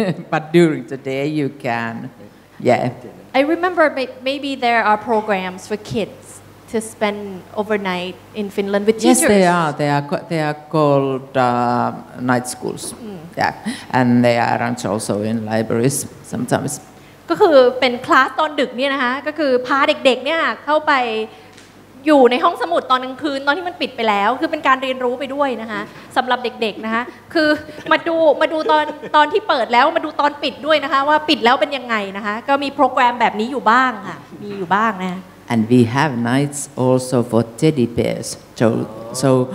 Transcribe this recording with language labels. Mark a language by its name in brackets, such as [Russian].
[English] But during the day, you can. Yeah. I remember maybe there are programs for kids to spend overnight in Finland with teachers. Yes, they are. They are called night schools. Mm. Yeah. And they are run also in libraries sometimes. [Thai] ก็คือเป็นคลาสตอนดึกเนี่ยนะคะก็คือพาเด็กๆเนี่ยเข้าไปอยู่ในห้องสมุดตอนกลางคืนตอนที่มันปิดไปแล้วคือเป็นการเรียนรู้ไปด้วยนะคะสำหรับเด็กๆนะคะคือมาดูตอนที่เปิดแล้วมาดูตอนปิดด้วยนะคะว่าปิดแล้วเป็นยังไงนะคะก็มีโปรแกรมแบบนี้อยู่บ้างค่ะมีอยู่บ้างนะ [English] And we have nights also for teddy bears so